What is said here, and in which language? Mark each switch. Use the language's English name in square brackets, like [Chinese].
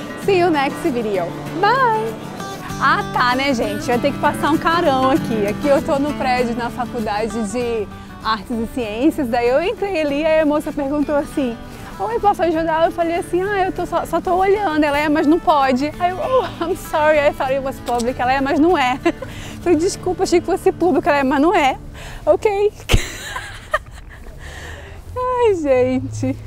[English] See you next video. Bye! [Portuguese] Ah, tá, né, gente? Eu tenho que passar um carão aqui. Aqui eu tô no prédio na Faculdade de Artes e Ciências. Daí eu entrei ali e a moça perguntou assim: oi, posso ajudar? Eu falei assim: ah, eu tô só tô olhando. Ela é, mas não pode. Aí eu, [English] oh, I'm sorry, I thought it was public. [Portuguese] Ela é, mas não é. Eu falei: desculpa, achei que fosse público. Ela é, mas não é. Ok. Ai, gente.